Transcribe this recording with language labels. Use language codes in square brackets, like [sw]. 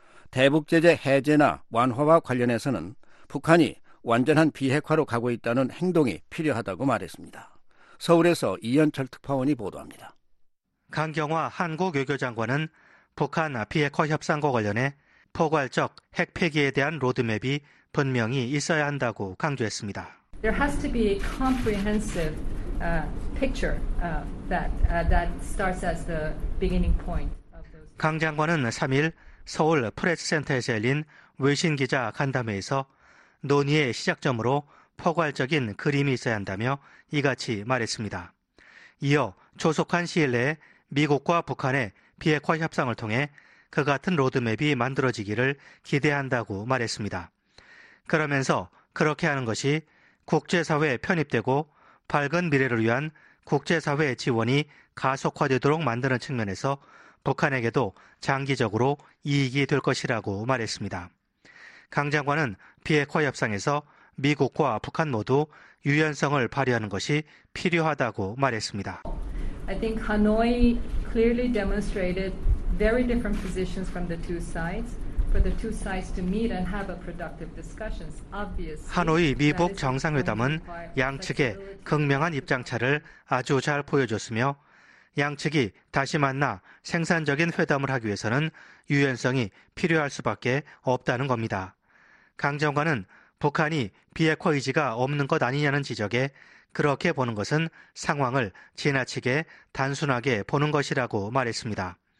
[ko] 대북 제재 해제나 완화와 관련해서는 북한이 완전한 비핵화로 가고 있다는 행동이 필요하다고 말했습니다. 서울에서 이현철 특파원이 보도합니다. 강경화 한국 외교장관은 북한 비핵화 협상과 관련해 포괄적 핵폐기에 대한 로드맵이 분명히 있어야 한다고 강조했습니다. [en] There has to be a comprehensive picture that starts as the beginning point. [ko] 강 장관은 3일 서울 프레스센터에서 열린 외신 기자 간담회에서 논의의 시작점으로 포괄적인 그림이 있어야 한다며 이같이 말했습니다. 이어 조속한 시일 내에 미국과 북한의 비핵화 협상을 통해 그 같은 로드맵이 만들어지기를 기대한다고 말했습니다. 그러면서 그렇게 하는 것이 국제사회에 편입되고 밝은 미래를 위한 국제사회의 지원이 가속화되도록 만드는 측면에서 북한에게도 장기적으로 이익이 될 것이라고 말했습니다. 강 장관은 비핵화 협상에서 미국과 북한 모두 유연성을 발휘하는 것이 필요하다고 말했습니다. [en] I think Hanoi clearly demonstrated very different positions from the two sides for the two sides to meet and have a productive discussion. Obviously, [ko] 하노이 미북 정상회담은 양측의 극명한 입장차를 아주 잘 보여줬으며 양측이 다시 만나 생산적인 회담을 하기 위해서는 유연성이 필요할 수밖에 없다는 겁니다. 강 장관은 북한이 비핵화 의지가 없는 것 아니냐는 지적에 그렇게 보는 것은 상황을 지나치게 단순하게 보는 것이라고 말했습니다.